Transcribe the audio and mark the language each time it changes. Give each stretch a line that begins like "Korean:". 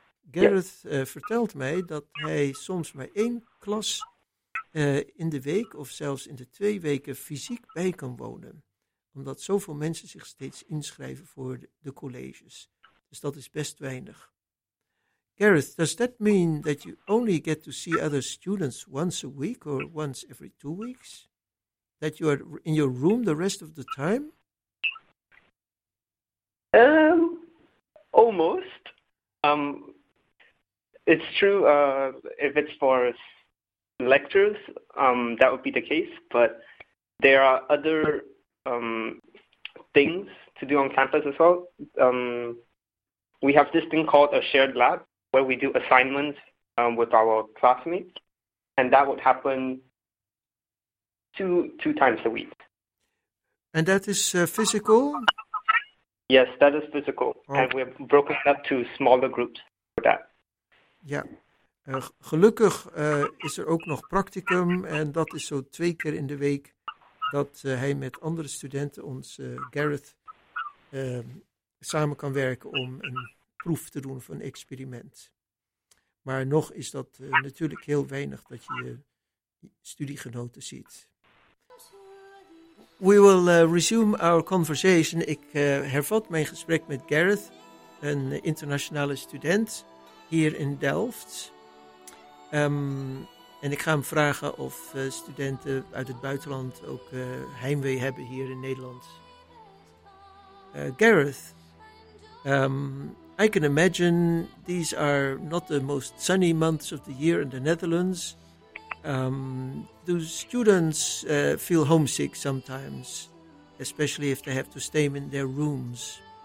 Dutch: Gareth vertelt mij dat hij soms maar één klas in de week of zelfs in de 2 weken fysiek bij kan wonen. Omdat zoveel mensen zich steeds inschrijven voor de colleges. Dus dat is best weinig.
English: Gareth, does that mean that you only get to see other students once a week or once every 2 weeks? That you are in your room the rest of the time? Almost. It's true, if it's for lectures, that would be the case, but there are other things to do on campus as well. We have this thing called a shared lab where we do assignments with our classmates, and that would happen two times a week. And that is physical? Yes, that is physical. Oh. And we're broken up to smaller groups for that.
Dutch: Ja, gelukkig is er ook nog practicum en dat is zo 2 keer in de week dat hij met andere studenten, ons Gareth, samen kan werken om een proef te doen of een experiment. Maar nog is dat natuurlijk heel weinig dat je studiegenoten ziet.
English: We will resume our conversation.
Dutch: Ik hervat mijn gesprek met Gareth, een internationale student hier in Delft. En ik ga hem vragen of studenten uit het buitenland ook heimwee hebben hier in Nederland.
English: Gareth, I can imagine these are not the most sunny months of the year in the Netherlands. Do students feel homesick sometimes, especially if they have to stay in their rooms?